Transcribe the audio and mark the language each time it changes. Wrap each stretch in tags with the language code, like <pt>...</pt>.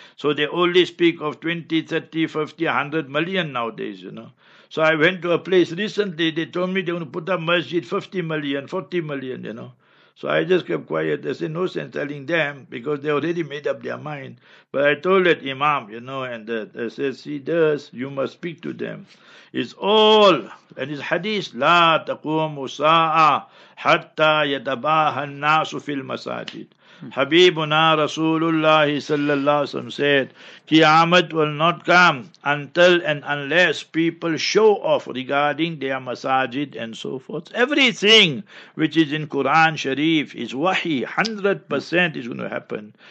<en>So they only speak of 20, 30, 50, 100 million nowadays, you know. So I went to a place recently, they told me they want to put a masjid 50 million, 40 million, you know. So I just kept quiet. I said, no sense telling them because they already made up their mind. But I told that imam, you know, and that I said, see, this, you must speak to them. It's all, and it's hadith,</en> <ar>لا تقوم ساعة حتى يتباهى الناس في المساجد.</ar> <en>Habibuna Rasulullah sallallahu alaihi wasallam said, Qiyamah will not come until and unless people show off regarding their masajid and so forth. Everything which is in Quran Sharif is wahi, 100% is going to happen.</en>